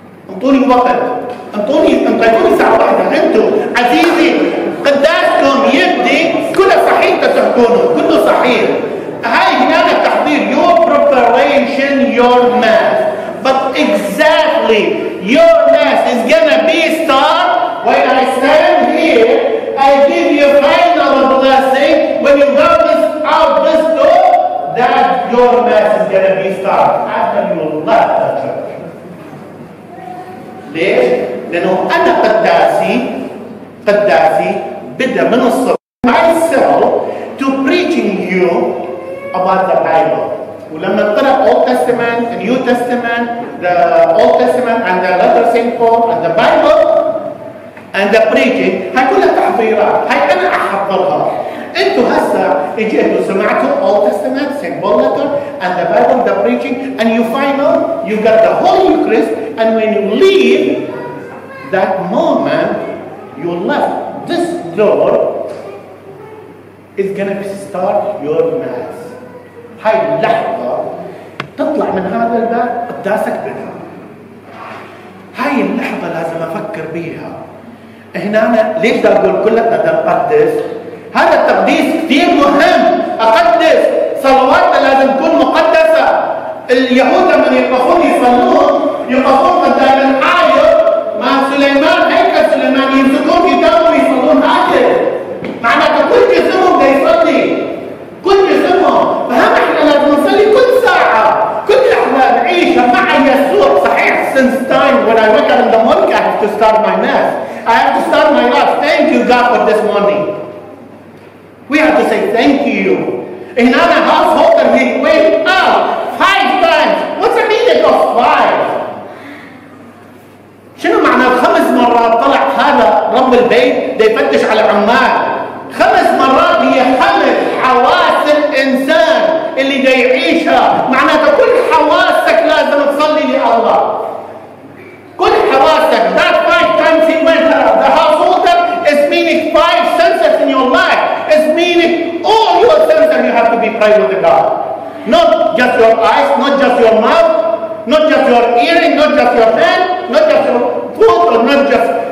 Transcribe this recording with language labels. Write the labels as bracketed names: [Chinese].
[Arabic] انطوني وقت، انطوني انطوني ساعة واحدة. انتو عزيزي قداسكم يبدي كل صحيح تتحكونه كله صحيح. هاي هنا التحضير. [English] Your preparation, your mass. But exactly your mass is gonna be start when I stand here. I give you final blessing when you go this out this door. That your mass is gonna be start after you left the church. [Arabic] ليش؟ لأنه أنا قداسي قداسي بدأ من الصبح [English] myself to preaching you about the Bible. [Arabic] ولما قرأ [English] Old Testament, the New Testament, the Old Testament and the letter St. Paul and the Bible and the preaching, [Arabic] هاي كلها تحضيرات. هاي أنا أحضرها. أنتوا هسا اجيتوا سمعتوا [English] Old Testament, St. Paul letter and the Bible, the preaching and you find out you got the Holy Eucharist. And when you leave that moment, you left this door, it's gonna start your mass. [Arabic] هاي اللحظة تطلع من هذا الباب قداسك بدها. هاي اللحظة لازم أفكر بيها. هنا أنا ليش دا أقول كلنا دا نقدس؟ هذا التقديس كثير مهم. أقدس صلواتنا لازم تكون مقدسة. اليهود لما يقفون يصلون يقفون قدام الحائط مع سليمان هيكل سليمان يمسكون كتابهم يصلون هكذا. معناته كل جسمهم بده يصلي كل جسمهم. فهم احنا لازم نصلي كل ساعة كل لحظة نعيشها مع يسوع. صحيح [English] since time when I wake up in the morning I have to start my mass. I have to start my life. Thank you God for this morning. We have to say thank you. In other household he wake up five times. What's the meaning of five? [Arabic] شنو معنى خمس مرات طلع هذا رب البيت ليفتش على العمال؟ خمس مرات هي خمس حواس الانسان اللي دا يعيشها. معناته كل حواسك لازم تصلي لله. كل حواسك. [English] That five times he went up. The householder is meaning five senses in your life. It's meaning all your senses you have to be praying with God. Not just your eyes, not just your mouth, not just your hearing, not just your hand, not just your foot, or not just.